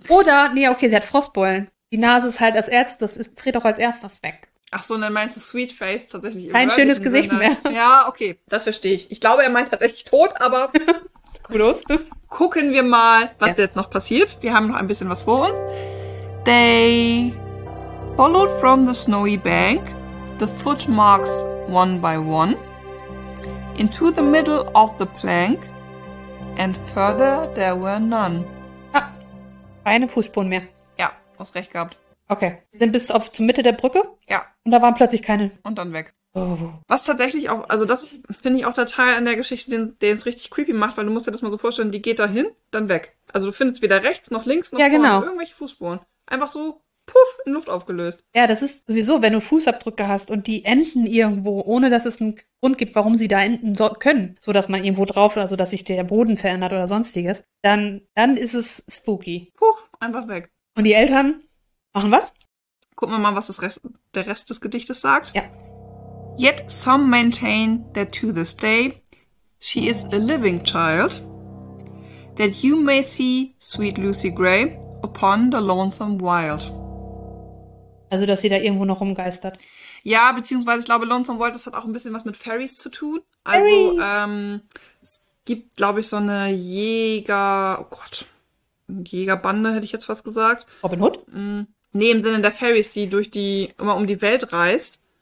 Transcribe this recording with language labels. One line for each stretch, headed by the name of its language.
German: Oder, nee, okay, sie hat Frostbeulen. Die Nase ist halt als erstes, es friert auch als erstes weg. Ach so, und dann meinst du Sweet Face tatsächlich immer. Kein schönes Gesicht mehr. Ja, okay, das verstehe ich. Ich glaube, er meint tatsächlich tot, aber... Kudos. Gucken wir mal, was jetzt noch passiert. Wir haben noch ein bisschen was vor uns.
English: They followed from the snowy bank, the footmarks one by one, into the middle of the plank, and further there were none.
German: Ah, keine Fußspuren mehr. Hast recht gehabt. Okay. Sie sind bis auf zur Mitte der Brücke. Ja. Und da waren plötzlich keine. Und dann weg. Oh. Was tatsächlich auch, also das finde ich auch der Teil an der Geschichte, den es richtig creepy macht, weil du musst dir das mal so vorstellen, die geht da hin, dann weg. Also du findest weder rechts noch links noch vorne irgendwelche Fußspuren. Einfach so, puff, in Luft aufgelöst. Ja, das ist sowieso, wenn du Fußabdrücke hast und die enden irgendwo, ohne dass es einen Grund gibt, warum sie da enden können, so dass man irgendwo drauf, also dass sich der Boden verändert oder sonstiges, dann ist es spooky. Puff, einfach weg. Und die Eltern machen was? Gucken wir mal, was der Rest des Gedichtes sagt. Ja.
English: Yet some maintain that to this day she is a living child, that you may see sweet Lucy Gray upon the lonesome wild.
German: Also, dass sie da irgendwo noch rumgeistert. Ja, beziehungsweise, ich glaube, Lonesome Wild, das hat auch ein bisschen was mit Fairies zu tun. Fairies. Also, es gibt, glaube ich, so eine Jäger... Oh Gott... Jägerbande, hätte ich jetzt fast gesagt. Robin Hood? Nee, im Sinne der Fairies, die immer um die Welt reist.